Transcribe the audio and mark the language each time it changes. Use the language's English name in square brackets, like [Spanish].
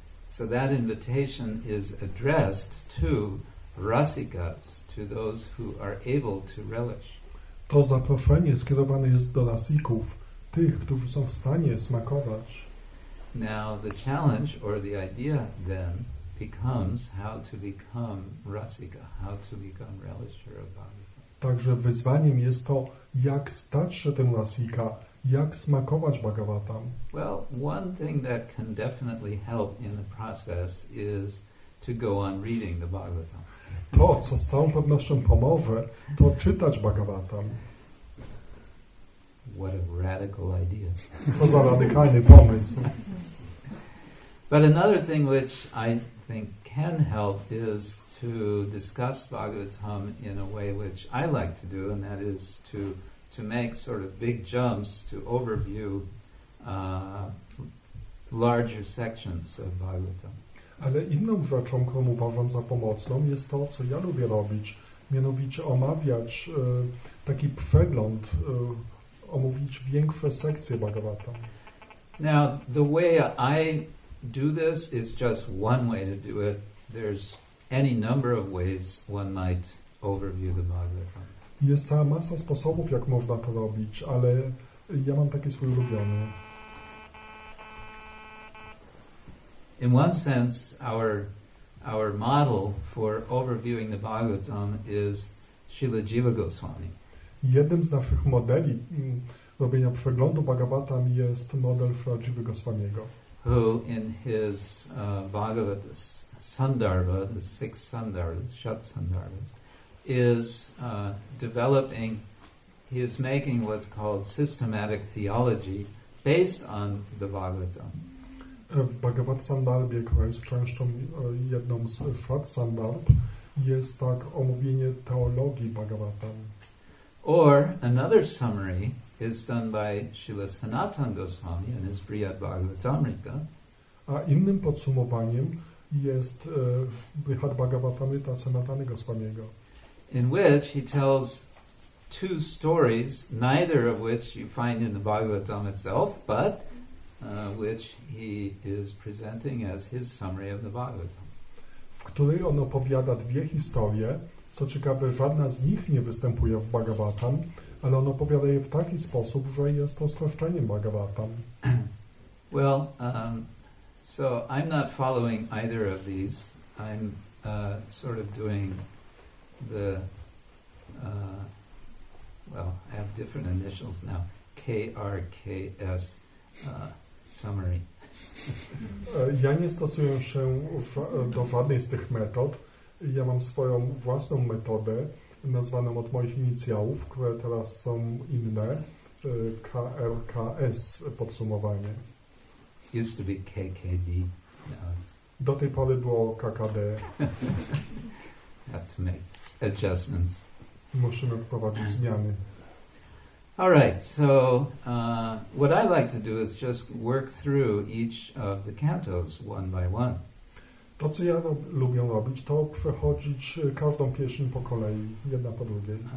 [English] So that invitation is addressed to rasikas, to those who are able to relish. [Polish] To zaproszenie skierowane jest do rasików, tych, którzy są w stanie smakować. [English] Now the challenge or the idea then becomes how to become rasika, how to become relisher of Bhagavatam. [Polish] Także wyzwaniem jest to, jak stać się tym rasika, jak smakować Bhagavatam. [English] Well, one thing that can definitely help in the process is to go on reading the Bhagavatam. [Polish] To, co z całą pewnością pomoże, to czytać Bhagavatam. [English] What a radical idea. [Polish] Co za radykalny pomysł. [English] But another thing which I think can help is to discuss Bhagavatam in a way which I like to do, and that is to make sort of big jumps to overview larger sections of Bhagavatam. [Polish] Ale inną rzeczą, którą uważam za pomocną, jest to, co ja lubię robić, mianowicie omawiać taki przegląd, omówić większe sekcje Bhagavatam. [English] Now, the way I do this is just one way to do it. There's any number of ways one might overview the Bhagavatam. [Polish] Jest cała masa sposobów, jak można to robić, ale ja mam taki swój ulubiony. [English] In one sense, our model for overviewing the Bhagavatam is Śrīla Jīva Gosvāmī. [Polish] Jednym z naszych modeli robienia przeglądu Bhagavatam jest model Śrīla Jīva Gosvāmīego. [English] Who in his Bhagavata Sandarbha, the six Sandarbhas, Shat Sandarbhas, is developing, he is making what's called systematic theology based on the Bhagavatam. [Polish] Bhagavat Sandarbha, która jest częścią jedną z Shat Sandarbh, jest tak omówienie teologii Bhagavatam. [English] Or another summary is done by Śrīla Sanātan Gosvāmī in his Brihad Bhagavatamrita. [Polish] A innym podsumowaniem jest Brihad Bhagavatamrita Sanatana Gosvāmīego. [English] In which he tells two stories, neither of which you find in the Bhagavatam itself, but which he is presenting as his summary of the Bhagavatam. [Polish] W której on opowiada dwie historie, co ciekawe, żadna z nich nie występuje w Bhagavatam, ale on opowiada je w taki sposób, że jest to streszczeniem Bhagavatam. [English] Well, so I'm not following either of these. I'm sort of doing the, well, I have different initials now. KRKS summary. [Polish] Ja nie stosuję się do żadnej z tych metod. Ja mam swoją własną metodę, nazwaną od moich inicjałów, które teraz są inne, KRKS podsumowanie. [English] Used to be KKD. [Polish] Do tej pory było KKD. [English] Have to make adjustments. [Polish] Musimy wprowadzić zmiany. [English] All right, so what I like to do is just work through each of the cantos one by one. [Polish] To, co ja lubię robić, to przechodzić każdą pieśń po kolei, jedna po drugiej.